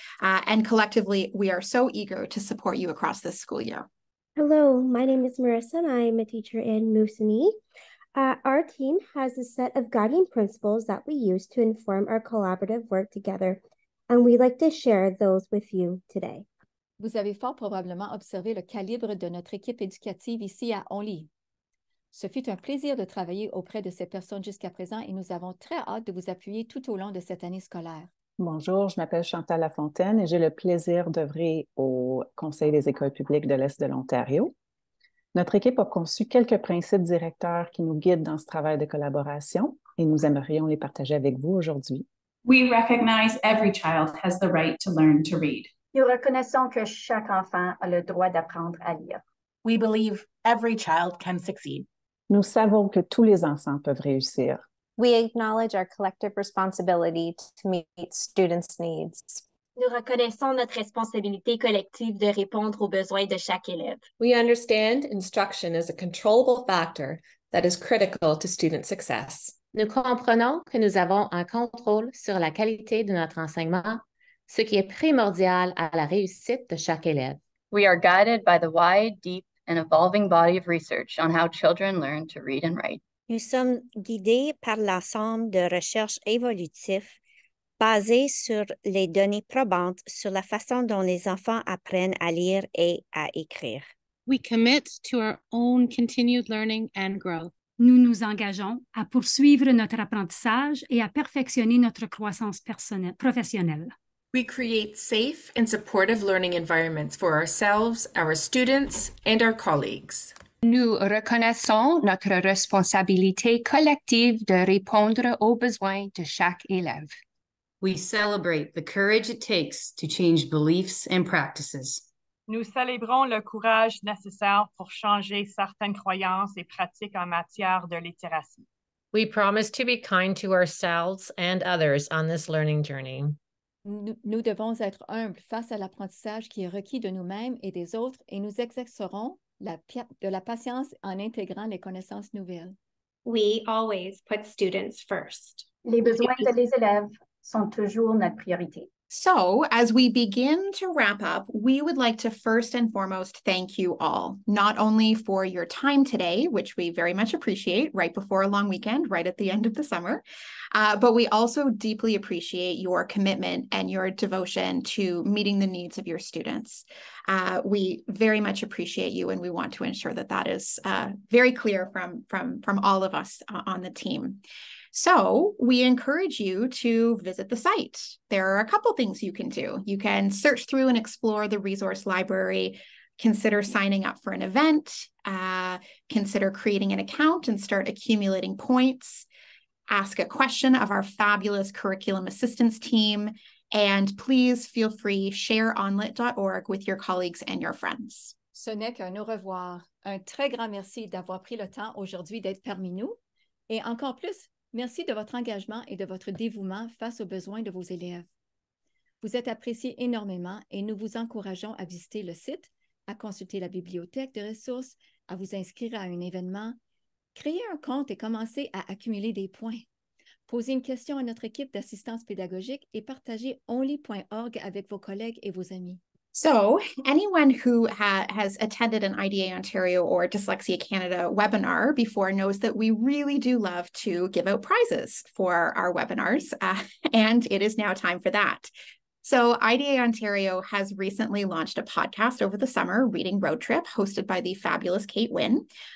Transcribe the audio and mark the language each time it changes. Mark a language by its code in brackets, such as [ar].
[en] And collectively, we are so eager to support you across this school year. Hello, my name is Marissa and I am a teacher in Moosonee. Our team has a set of guiding principles that we use to inform our collaborative work together. And we'd like to share those with you today. [fr] Vous avez fort probablement observé le calibre de notre équipe éducative ici à ONlit. Ce fut un plaisir de travailler auprès de ces personnes jusqu'à présent et nous avons très hâte de vous appuyer tout au long de cette année scolaire. Bonjour, je m'appelle Chantal Lafontaine et j'ai le plaisir d'œuvrer au Conseil des écoles publiques de l'Est de l'Ontario. Notre équipe a conçu quelques principes directeurs qui nous guident dans ce travail de collaboration et nous aimerions les partager avec vous aujourd'hui. [en] We recognize every child has the right to learn to read. [fr] Nous reconnaissons que chaque enfant a le droit d'apprendre à lire. [en] We believe every child can succeed. [fr] Nous savons que tous les enfants peuvent réussir. [en] We acknowledge our collective responsibility to meet students' needs. [fr] Nous reconnaissons notre responsabilité collective de répondre aux besoins de chaque élève. [en] We understand instruction is a controllable factor that is critical to student success. [fr] Nous comprenons que nous avons un contrôle sur la qualité de notre enseignement, ce qui est primordial à la réussite de chaque élève. [en] We are guided by the wide, deep, and evolving body of research on how children learn to read and write. [fr] Nous sommes guidés par l'ensemble de recherches évolutives basées sur les données probantes sur la façon dont les enfants apprennent à lire et à écrire. [en] We commit to our own continued learning and growth. [fr] Nous nous engageons à poursuivre notre apprentissage et à perfectionner notre croissance professionnelle. [en] We create safe and supportive learning environments for ourselves, our students, and our colleagues. [fr] Nous reconnaissons notre responsabilité collective de répondre aux besoins de chaque élève. [en] We celebrate the courage it takes to change beliefs and practices. [fr] Nous célébrons le courage nécessaire pour changer certaines croyances et pratiques en matière de littératie. [en] We promise to be kind to ourselves and others on this learning journey. [fr] Nous devons être humbles face à l'apprentissage qui est requis de nous-mêmes et des autres et nous exercerons de la patience en intégrant les connaissances nouvelles. [en] We always put students first. [fr] Les besoins des élèves sont toujours notre priorité. [en] So, as we begin to wrap up, we would like to first and foremost thank you all, not only for your time today, which we very much appreciate right before a long weekend, right at the end of the summer, but we also deeply appreciate your commitment and your devotion to meeting the needs of your students. We very much appreciate you, and we want to ensure that that is very clear from all of us on the team. So we encourage you to visit the site. There are a couple things you can do. You can search through and explore the resource library, consider signing up for an event, consider creating an account and start accumulating points, ask a question of our fabulous curriculum assistance team, and please feel free to share onlit.org with your colleagues and your friends. [fr] Ce n'est qu'un au revoir. Un très grand merci d'avoir pris le temps aujourd'hui d'être parmi nous. Et encore plus, merci de votre engagement et de votre dévouement face aux besoins de vos élèves. Vous êtes appréciés énormément et nous vous encourageons à visiter le site, à consulter la bibliothèque de ressources, à vous inscrire à un événement, créer un compte et commencer à accumuler des points. Posez une question à notre équipe d'assistance pédagogique et partagez ONlit.org avec vos collègues et vos amis. [en] So, anyone who has attended an IDA Ontario or Dyslexia Canada webinar before knows that we really do love to give out prizes for our webinars, and it is now time for that. So, IDA Ontario has recently launched a podcast over the summer, Reading Road Trip, hosted by the fabulous Kate Wynn.